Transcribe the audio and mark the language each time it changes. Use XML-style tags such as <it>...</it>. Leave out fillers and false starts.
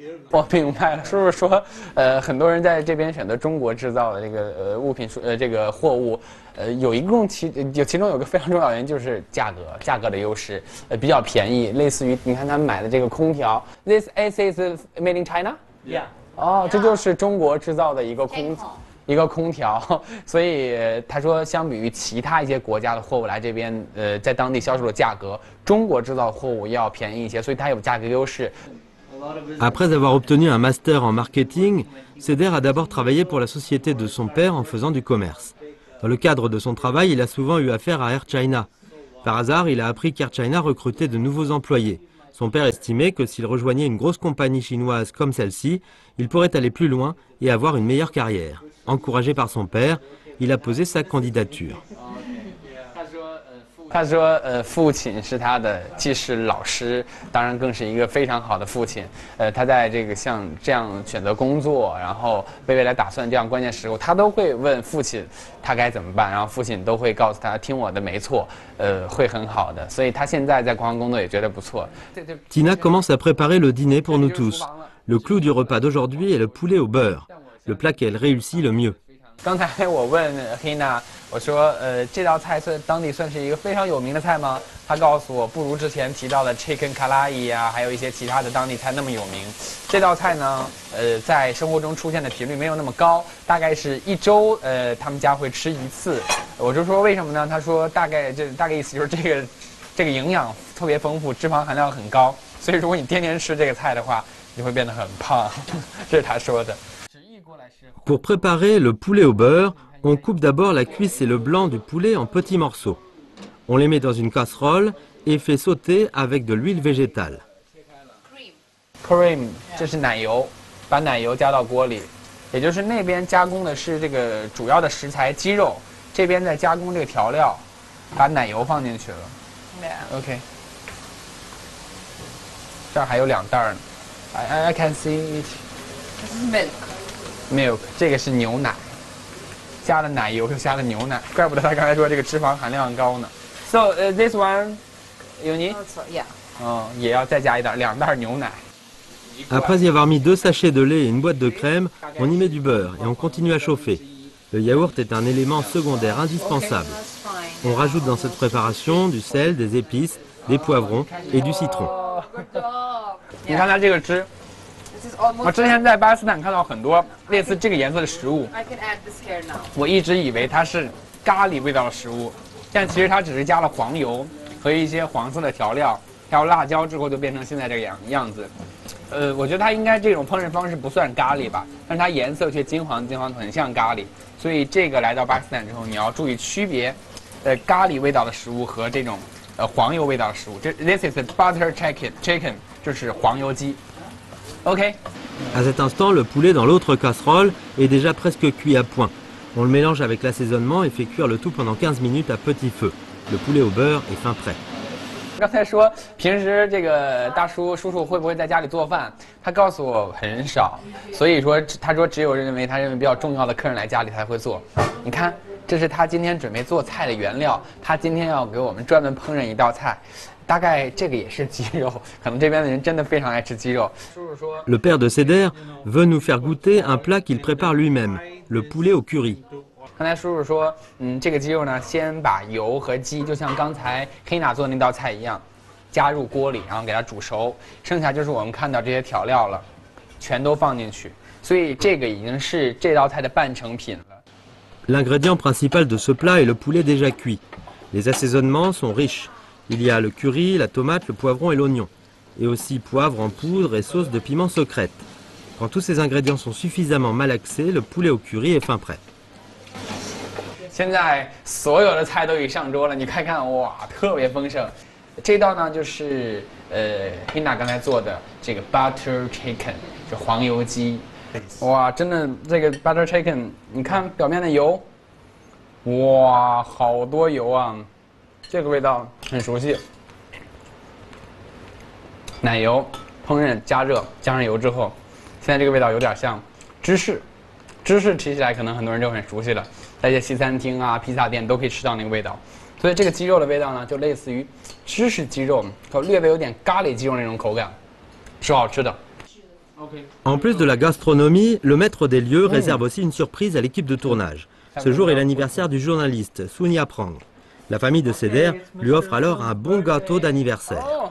<zh>我明白了，叔叔说，很多人在这边选择中国制造的这个物品，这个货物，有一共其中有个非常重要原因就是价格的优势，比较便宜，类似于你看他们买的这个空调 ，</zh> <en>This AC is made in China， yeah，</en> <zh>哦，这就是中国制造的一个空调，所以他说，相比于其他一些国家的货物来这边，在当地销售的价格，中国制造货物要便宜一些，所以它有价格优势。</zh> <fr>Après avoir obtenu un master en marketing, Seder a d'abord travaillé pour la société de son père en faisant du commerce. Dans le cadre de son travail, il a souvent eu affaire à Air China. Par hasard, il a appris qu'Air China recrutait de nouveaux employés. Son père estimait que s'il rejoignait une grosse compagnie chinoise comme celle-ci, il pourrait aller plus loin et avoir une meilleure carrière. Encouragé par son père, il a posé sa candidature.</fr> <zh>他说父亲是他的既是老师，当然更是一个非常好的父亲。他在这个像这样选择工作，然后为未来打算这样关键时候，他都会问父亲他该怎么办，然后父亲都会告诉他，听我的没错，会很好的。所以他现在在国航工作也觉得不错。</zh> <fr>Tina commence à préparer le dîner pour nous tous. Le clou du repas d'aujourd'hui est le poulet au beurre, le plat qu'elle réussit le mieux.</fr> <zh>刚才我问 Hina。我说，这道菜算当地算是一个非常有名的菜吗？他告诉我，不如之前提到的 chicken kalai 啊，还有一些其他的当地菜那么有名。这道菜呢，在生活中出现的频率没有那么高，大概是一周，他们家会吃一次。我就说为什么呢？他说大概意思就是这个营养特别丰富，脂肪含量很高，所以如果你天天吃这个菜的话，你会变得很胖。这是他说的。</zh> <fr>Pour préparer le poulet au beurre。 On coupe d'abord la cuisse et le blanc du poulet en petits morceaux. On les met dans une casserole et fait sauter avec de l'huile végétale.</fr> <zh>Cream, 这是奶油，把奶油加到锅里，也就是那边加工的是这个主要的食材鸡肉，这边在加工这个调料，把奶油放进去了。</zh> <en>Yeah.</en> <zh>OK， 这儿还有两袋呢，</zh> <en>I can see it. This is milk.</en> <zh>Milk. 这个是牛奶。加了奶油又加了牛奶，怪不得他刚才说这个脂肪含量高呢。</zh> <en>So this one, you need? Also, yeah.</en> <zh>嗯，也要再加一袋，两袋牛奶。</zh> <fr>Après y avoir mis deux sachets de lait et une boîte de crème, on y met du beurre et on continue à chauffer. Le yaourt est un élément secondaire indispensable. On rajoute dans cette préparation du sel, des épices, des poivrons et du citron. Vous voyez ce que c'est ?</fr> <zh>我之前在巴基斯坦看到很多类似这个颜色的食物，我一直以为它是咖喱味道的食物，但其实它只是加了黄油和一些黄色的调料，还有辣椒之后就变成现在这个样子。我觉得它应该这种烹饪方式不算咖喱吧，但是它颜色却金黄，很像咖喱。所以这个来到巴基斯坦之后，你要注意区别，咖喱味道的食物和这种黄油味道的食物。</zh> <en>This is butter chicken，</en> <zh>就是黄油鸡。</zh> <en>OK.</en> <fr>À cet instant, le poulet dans l'autre casserole est déjà presque cuit à point. On le mélange avec l'assaisonnement et fait cuire le tout pendant 15 minutes à petit feu. Le poulet au beurre est fin prêt.</fr> <zh>刚才说平时这个大叔叔叔会不会在家里做饭？他告诉我很少，所以说他说只有他认为比较重要的客人来家里才会做。你看，这是他今天准备做菜的原料，他今天要给我们专门烹饪一道菜。</zh> <fr>Le père de Seder veut nous faire goûter un plat qu'il prépare lui-même, le poulet au curry.</fr> <zh>刚才叔叔说，这个鸡肉呢，先把油和鸡，就像刚才黑娜做的那道菜一样，加入锅里，然后给它煮熟，剩下就是我们看到这些调料了，全都放进去，所以这个已经是这道菜的半成品了。</zh> <fr>L'ingrédient principal de ce plat est le poulet déjà cuit. Les assaisonnements sont riches. Il y a le curry, la tomate, le poivron et l'oignon. Et aussi poivre en poudre et sauce de piment secrète. Quand tous ces ingrédients sont suffisamment malaxés, le poulet au curry est fin prêt. Maintenant, tous les plats sont sur la table. Vous voyez, c'est très fondant. C'est ce que Hina a fait, le butter chicken, le poulet au curry. Wow, ce butter chicken, vous voyez le poulet au curry. Wow, beaucoup de poulet.</fr> <zh>这个味道很熟悉，奶油烹饪加热加上油之后，现在这个味道有点像芝士，吃起来可能很多人就很熟悉了，在一些西餐厅啊披萨店都可以吃到那个味道，所以这个鸡肉的味道呢就类似于芝士鸡肉和略微有点咖喱鸡肉那种口感，是好吃的。</zh> <fr>En plus de la gastronomie, le maître des lieux réserve aussi une surprise à l'équipe de tournage. Ce jour est l'anniversaire du journaliste Sun Yaprang. La famille de Seder lui offre alors un bon gâteau d'anniversaire.</fr>